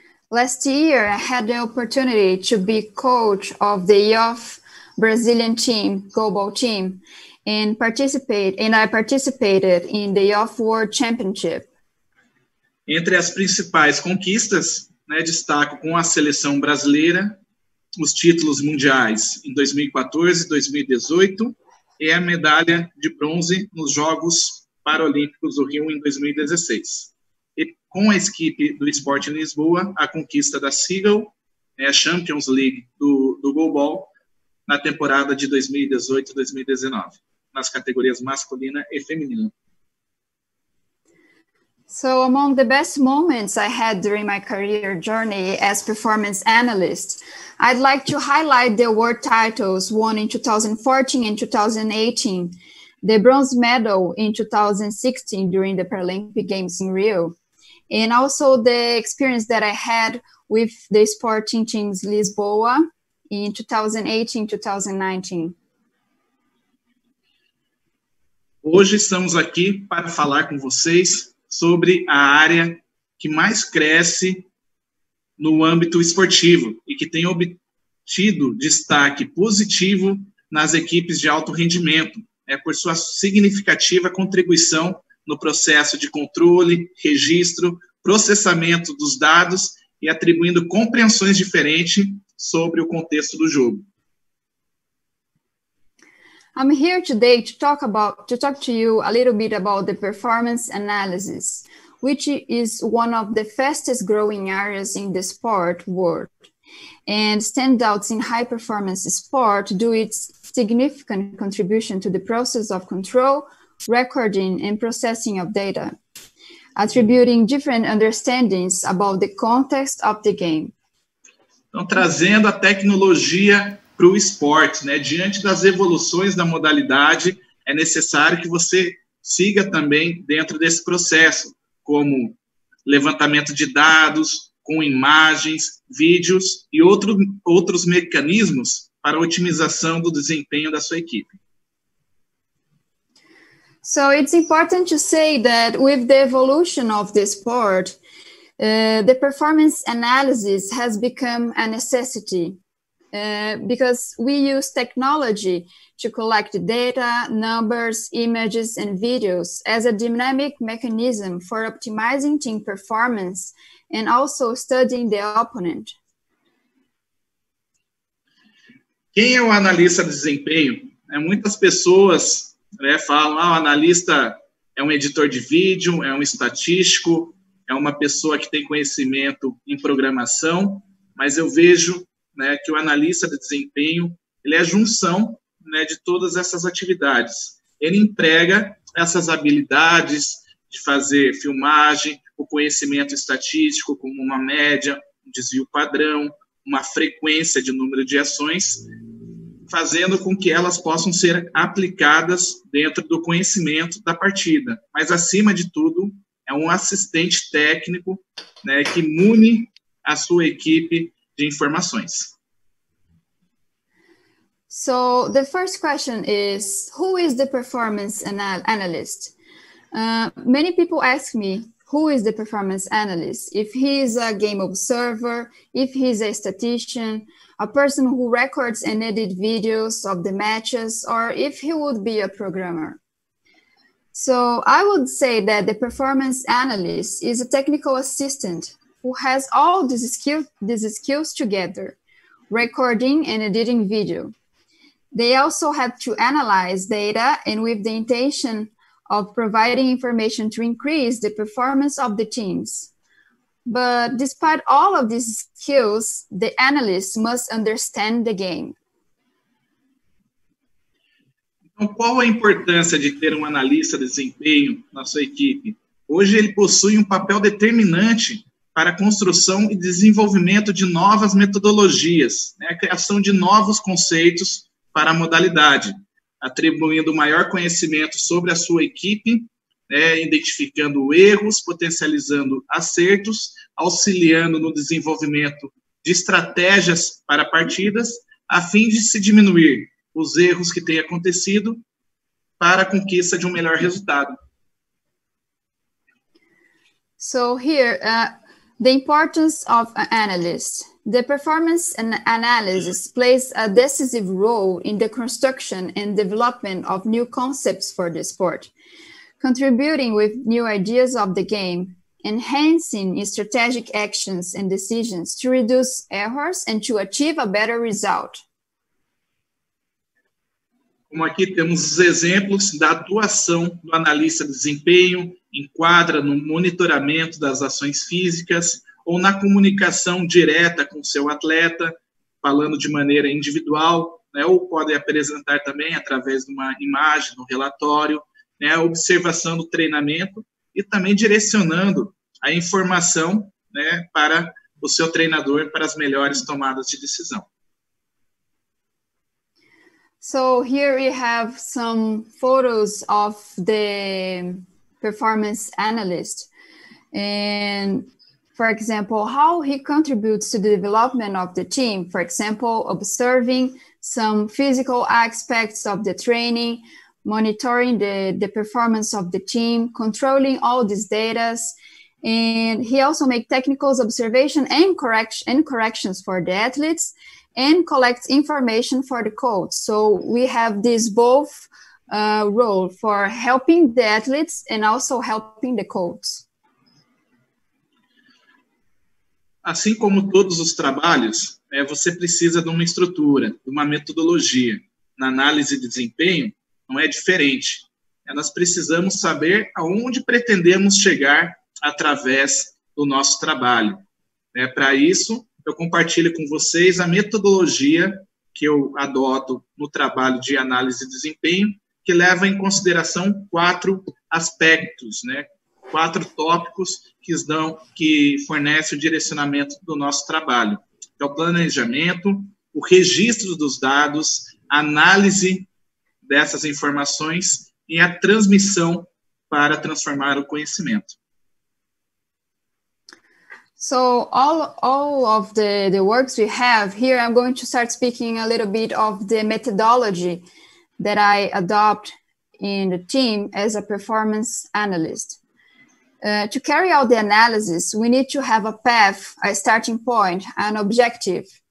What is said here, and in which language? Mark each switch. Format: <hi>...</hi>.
<en>Last year, I had the opportunity to be coach of the youth Brazilian team, goalball team, and I participated in the Youth World Championship.</en> <pt>Entre as principais conquistas, destaco com a seleção brasileira os títulos mundiais em 2014 e 2018 e a medalha de bronze nos Jogos Paralímpicos do Rio em 2016. E com a equipe do Esporte em Lisboa, a conquista da SEAGL, a Champions League do goalball, na temporada de 2018 e 2019, nas categorias masculina e feminina.</pt> <en>So among the best moments I had during my career journey as performance analyst, I'd like to highlight the award titles won in 2014 and 2018, the bronze medal in 2016 during the Paralympic Games in Rio, and also the experience that I had with the Sporting Teams Lisboa in 2018-2019.</en> <pt>Hoje estamos aqui para falar com vocês sobre a área que mais cresce no âmbito esportivo e que tem obtido destaque positivo nas equipes de alto rendimento, por sua significativa contribuição no processo de controle, registro, processamento dos dados e atribuindo compreensões diferentes sobre o contexto do jogo.</pt> <en>I'm here today to talk to you a little bit about the performance analysis, which is one of the fastest growing areas in the sport world. And standouts in high performance sport do its significant contribution to the process of control, recording and processing of data, attributing different understandings about the context of the game.</en> <pt>Então, trazendo a tecnologia para o esporte, diante das evoluções da modalidade, é necessário que você siga também dentro desse processo, como levantamento de dados, com imagens, vídeos e outros mecanismos para a otimização do desempenho da sua equipe.</pt> <en>So it's important to say that with the evolution of the sport, the performance analysis has become a necessity. Because we use technology to collect data, numbers, images, and videos as a dynamic mechanism for optimizing team performance and also studying the opponent.</en> <pt>Quem é o analista de desempenho? Muitas pessoas falam, o analista é um editor de vídeo, é um estatístico, é uma pessoa que tem conhecimento em programação, mas eu vejo que o analista de desempenho ele é a junção de todas essas atividades. Ele emprega essas habilidades de fazer filmagem, o conhecimento estatístico, como uma média, um desvio padrão, uma frequência de número de ações, fazendo com que elas possam ser aplicadas dentro do conhecimento da partida. Mas, acima de tudo, é um assistente técnico que mune a sua equipe de informações.</pt> <en>So the first question is, who is the performance analyst? Many people ask me, who is the performance analyst? If he is a game observer, if he is a statistician, a person who records and edits videos of the matches, or if he would be a programmer. So I would say that the performance analyst is a technical assistant who has all these skills together, recording and editing video. They also have to analyze data and with the intention of providing information to increase the performance of the teams. But despite all of these skills, the analyst must understand the game.</en> <pt>Então, qual a importância de ter um analista de desempenho na sua equipe? Hoje ele possui um papel determinante para a construção e desenvolvimento de novas metodologias, né? A criação de novos conceitos para a modalidade, atribuindo maior conhecimento sobre a sua equipe, né, identificando erros, potencializando acertos, auxiliando no desenvolvimento de estratégias para partidas, a fim de se diminuir os erros que têm acontecido para a conquista de um melhor resultado.</pt> <en>So here, the importance of an analyst. The performance and analysis plays a decisive role in the construction and development of new concepts for the sport, contributing with new ideas of the game, enhancing strategic actions and decisions to reduce errors and to achieve a better result.</en> <pt>Como aqui temos os exemplos da atuação do analista de desempenho, enquadra no monitoramento das ações físicas ou na comunicação direta com seu atleta, falando de maneira individual, né, ou pode apresentar também através de uma imagem, no relatório, né, observação do treinamento e também direcionando a informação, né, para o seu treinador para as melhores tomadas de decisão.</pt> <en>So here we have some photos of the performance analyst. And for example, how he contributes to the development of the team, for example, observing some physical aspects of the training, monitoring the performance of the team, controlling all these data, and he also makes technical observation and corrections for the athletes and collects information for the coach. So we have this both role for helping the athletes and also helping the coach.</en> <pt>Assim como todos os trabalhos, você precisa de uma estrutura, de uma metodologia. Na análise de desempenho, não é diferente. Nós precisamos saber aonde pretendemos chegar através do nosso trabalho. Para isso, eu compartilho com vocês a metodologia que eu adoto no trabalho de análise de desempenho, que leva em consideração quatro aspectos, né? Quatro tópicos que fornecem o direcionamento do nosso trabalho. É o planejamento, o registro dos dados, a análise dessas informações e a transmissão para transformar o conhecimento.</pt> <en>So all of the works we have here, I'm going to start speaking a little bit of the methodology that I adopt in the team as a performance analyst. To carry out the analysis, we need to have a path, a starting point, an objective.</en>